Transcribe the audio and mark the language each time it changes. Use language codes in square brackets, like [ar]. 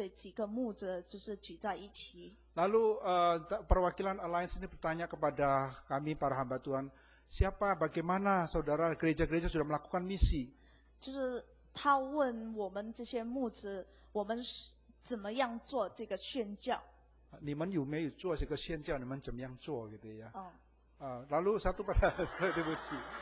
[zh] 有一次从香港有一个教会，他们把我们在泗水几个牧者就是聚在一起。 [id] Lalu perwakilan Alliance ini bertanya kepada kami para hamba Tuhan, siapa bagaimana saudara gereja-gereja sudah melakukan misi? [zh] 就是他问我们这些牧者，我们是 怎么样做这个宣教？你们有没有做这个宣教？你们怎么样做？ [id] gitu ya. Lalu satu pada saya dibuci.